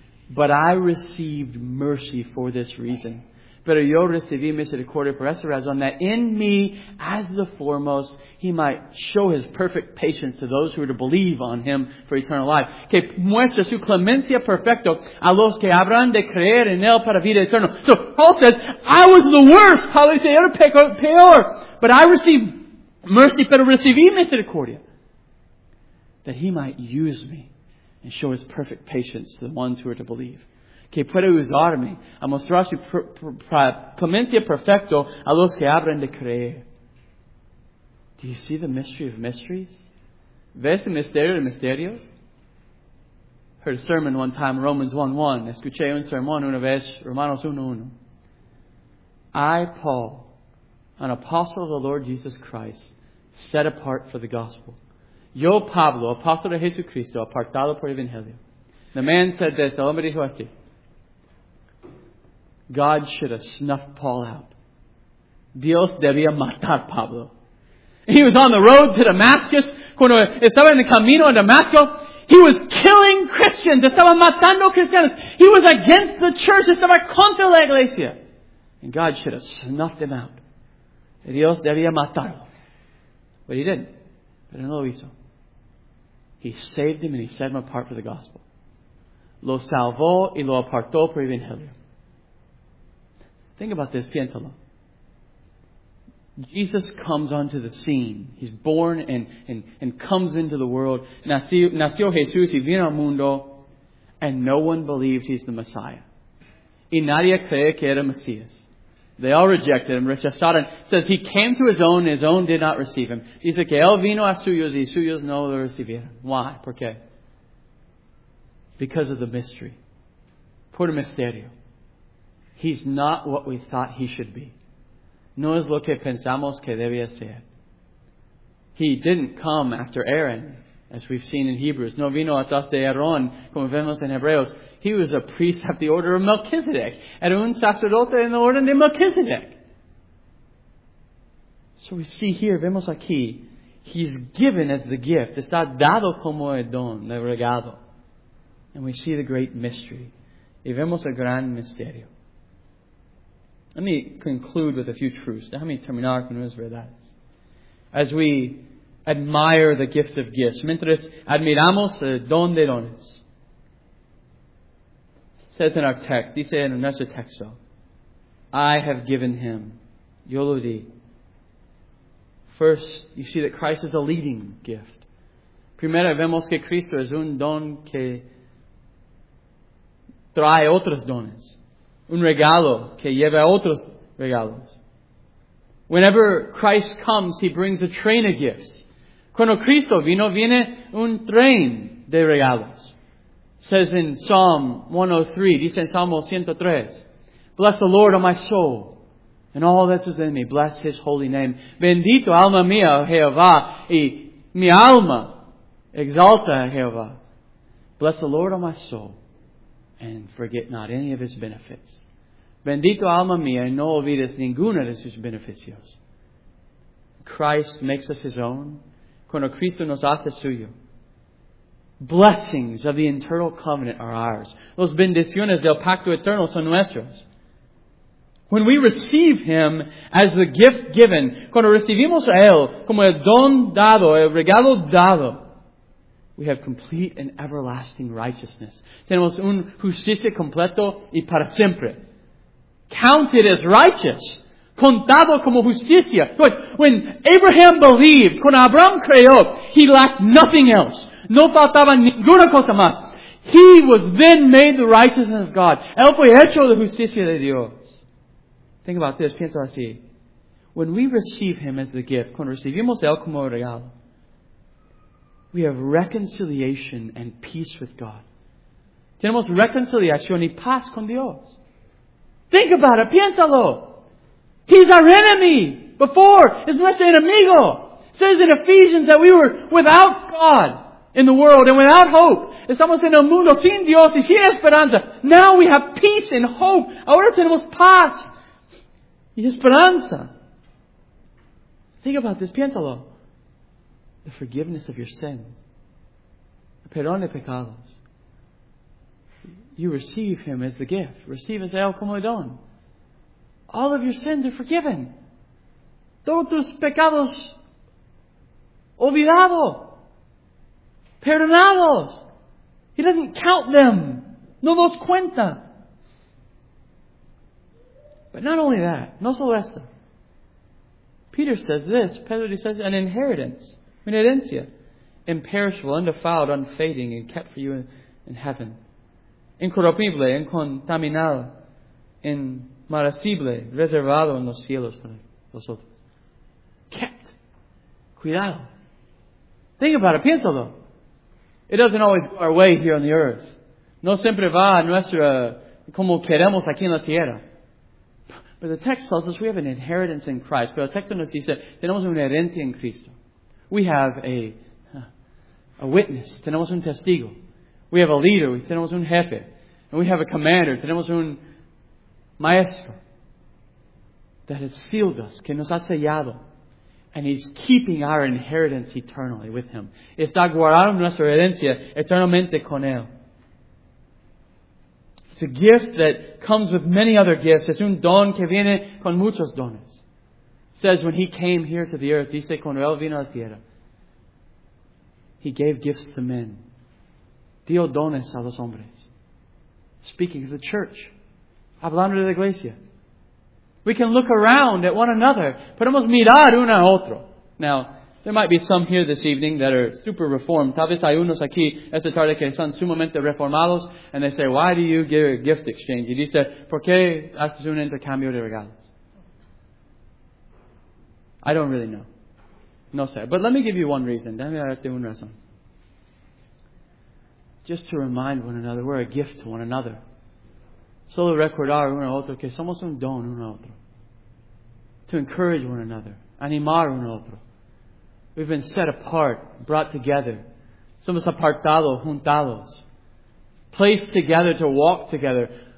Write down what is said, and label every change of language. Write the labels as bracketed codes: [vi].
[en] But I received mercy for this reason. [es] Pero yo recibí misericordia por esta razón, [en] that in me, as the foremost, he might show his perfect patience to those who are to believe on him for eternal life. [es] Que muestre su clemencia perfecta a los que habrán de creer en él para vida eterna. [en] So Paul says, I was the worst. [es] Paul dice, yo era peor. [en] But I received mercy, [es] pero recibí misericordia. [en] That he might use me and show his perfect patience to the ones who are to believe. [es] Que pueda usarme a mostrar su clemencia perfecto a los que abren de creer. [en] Do you see the mystery of mysteries? [es] ¿Ves el misterio de misterios? [en] Heard a sermon one time, Romans 1:1. [es] Escuché un sermón una vez, Romanos 1:1. [en] I, Paul, an apostle of the Lord Jesus Christ, set apart for the gospel. [es] Yo, Pablo, apóstol de Jesucristo, apartado por el Evangelio. [en] The man said this, [es] el hombre dijo así. [en] God should have snuffed Paul out. [es] Dios debía matar Pablo. [en] He was on the road to Damascus. [es] Cuando estaba en el camino a Damasco, [en] he was killing Christians. [es] Estaba matando cristianos. [en] He was against the church. [es] Estaba contra la iglesia. [en] And God should have snuffed him out. [es] Dios debía matarlo. [en] But he didn't. [es] Pero no lo hizo. [en] He saved him and he set him apart for the gospel. [es] Lo salvó y lo apartó por el Evangelio. [en] Think about this, [es] piénsalo. [en] Jesus comes onto the scene. He's born and comes into the world. [es] Nació Jesús y vino al mundo. [en] And no one believed he's the Messiah. [es] Y nadie cree que era Mesías. [en] They all rejected him, [es] rechazaron. [en] It says he came to his own did not receive him. [es] Dice que él vino a suyos y suyos no lo recibieron. [en] Why? [es] ¿Por qué? [en] Because of the mystery. [es] Por el misterio. [en] He's not what we thought he should be. [es] No es lo que pensamos que debía ser. [en] He didn't come after Aaron, as we've seen in Hebrews. [es] No vino atrás de Aarón, como vemos en Hebreos. [en] He was a priest of the order of Melchizedek. [es] Era un sacerdote en la orden de Melchizedek. [en] So we see here, [es] vemos aquí, [en] he's given as the gift. [es] Está dado como el don, el regalo. [en] And we see the great mystery. [es] Y vemos el gran misterio. [en] Let me conclude with a few truths. [es] Déjame terminar con unas verdades. [en] As we admire the gift of gifts, [es] mientras admiramos el don de dones, [en] says in our text, [es] dice en nuestro texto, [en] I have given him, [es] yo lo di. [en] First, you see that Christ is a leading gift. [es] Primero, vemos que Cristo es un don que trae otros dones. Un regalo que lleva otros regalos. [en] Whenever Christ comes, he brings a train of gifts. [es] Cuando Cristo vino, viene un tren de regalos. [en] Says in Psalm 103, [es] dice en Salmo 103, [en] bless the Lord, O my soul, and all that is in me, bless His holy name. [es] Bendito alma mía, Jehová, y mi alma exalta Jehová. [en] Bless the Lord, O my soul, and forget not any of His benefits. [es] Bendito alma mía, y no olvides ninguna de sus beneficios. [en] Christ makes us His own. [es] Cuando Cristo nos hace suyo. [en] Blessings of the eternal covenant are ours. [es] Los bendiciones del pacto eterno son nuestros. [en] When we receive Him as the gift given, [es] cuando recibimos a Él como el don dado, el regalo dado, [en] we have complete and everlasting righteousness. [es] Tenemos un justicia completo y para siempre. [en] Counted as righteous. [es] Contado como justicia. [en] When Abraham believed, when Abraham creyó, he lacked nothing else. [es] No faltaba ninguna cosa más. [en] He was then made the righteousness of God. [es] Él fue hecho la justicia de Dios. [en] Think about this. [es] Piensa así. [en] When we receive Him as a gift, [es] cuando recibimos Él como regalo, [en] we have reconciliation and peace with God. [es] Tenemos reconciliación y paz con Dios. [en] Think about it. [es] Piénsalo. [en] He's our enemy. Before, [es] es nuestro enemigo. [en] It says in Ephesians that we were without God in the world and without hope. [es] Estamos en el mundo sin Dios y sin esperanza. [en] Now we have peace and hope. [es] Ahora tenemos paz y esperanza. [en] Think about this. [es] Piénsalo. [en] The forgiveness of your sins. [es] El perdón de pecados. [en] You receive Him as the gift. Receive as [es] el como el don. [en] All of your sins are forgiven. [es] Todos tus pecados olvidado. Perdonados. [en] He doesn't count them. [es] No los cuenta. [en] But not only that. [es] No solo esto. [en] Peter says this. Pedro says an inheritance. [es] Una herencia. [en] Imperishable, undefiled, unfading, and kept for you in heaven. [es] Incorruptible, incontaminado, in marasible, reservado en los cielos para vosotros. [en] Kept. [es] Cuidado. [en] Think about it. [es] Piénsalo. [en] It doesn't always go our way here on the earth. [es] No siempre va a nuestra como queremos aquí en la tierra. [en] But the text tells us we have an inheritance in Christ. [es] Pero el texto nos dice, tenemos una herencia en Cristo. [en] We have a witness. [es] Tenemos un testigo. [en] We have a leader. [es] Tenemos un jefe. [en] And we have a commander. [es] Tenemos un Maestro, [en] that has sealed us, [es] que nos ha sellado, [en] and He's keeping our inheritance eternally with Him. [es] Está guardando nuestra herencia eternamente con Él. [en] It's a gift that comes with many other gifts. [es] Es un don que viene con muchos dones. [en] It says when He came here to the earth, [es] dice cuando Él vino a la tierra, [en] He gave gifts to men. [es] Dio dones a los hombres. [en] Speaking of the church. [es] Hablando de la iglesia. [en] We can look around at one another. [es] Podemos mirar uno a otro. [en] Now, there might be some here this evening that are super reformed. [es] Tal vez hay unos aquí esta tarde que son sumamente reformados. [en] And they say, why do you give a gift exchange? [es] Y dice, ¿por qué haces un intercambio de regalos? [en] I don't really know. [es] No sé. [en] But let me give you one reason. [es] Dame darte una razón. [en] Just to remind one another, we're a gift to one another. [es] Solo recordar uno a otro que somos un don uno a otro. [en] To encourage one another. [es] Animar uno a otro. [en] We've been set apart, brought together. [es] Somos apartados, juntados. [en] Placed together to walk together.